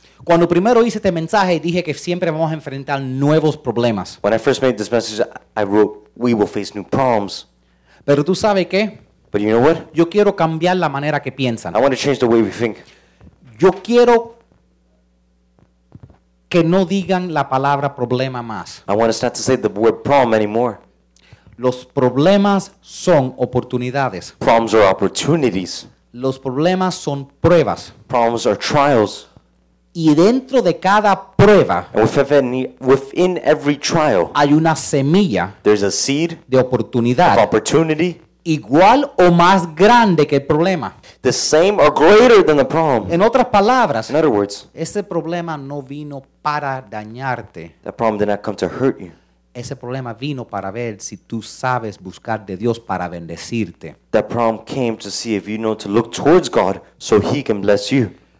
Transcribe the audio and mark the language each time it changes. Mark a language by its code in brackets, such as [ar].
[es] Cuando primero hice este mensaje, dije que siempre vamos a enfrentar nuevos problemas. [en] When I first made this message, I wrote, we will face new problems. [es] Pero tú sabes qué? [en] But you know what? [es] Yo quiero cambiar la manera que piensan. [en] I want to change the way we think. [es] Yo quiero que no digan la palabra problema más. [en] I want us not to say the word problem anymore. [es] Los problemas son oportunidades. [en] Problems are opportunities. [es] Los problemas son pruebas. [en] Problems are trials. [es] Y dentro de cada prueba, [en] and within every trial, [es] hay una semilla, [en] there's a seed, [es] de oportunidad, [en] of opportunity, [es] igual o más grande que el problema. [en] The same or greater than the problem. [es] En otras palabras, [en] in other words, [es] ese problema no vino para dañarte. [en] That problem did not come to hurt you. [es] Ese problema vino para ver si tú sabes buscar de Dios para bendecirte. [en] That problem came to see if you know to look towards God so He can bless you.